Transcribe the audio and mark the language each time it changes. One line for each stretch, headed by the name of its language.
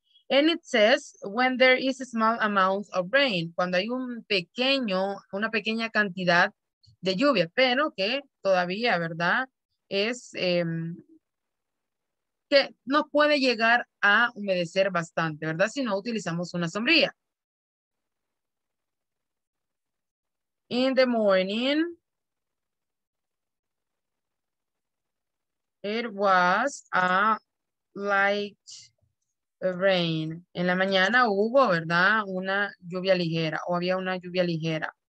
English: And it says, when there is a small amount of rain,
Spanish: cuando hay una pequeña cantidad de lluvia, pero que todavía, ¿verdad? Es que no puede llegar a humedecer bastante, ¿verdad? Si no utilizamos una sombrilla.
English: In the morning, it was a light rain.
Spanish: En la mañana hubo, ¿verdad? Una lluvia ligera, o había una lluvia ligera.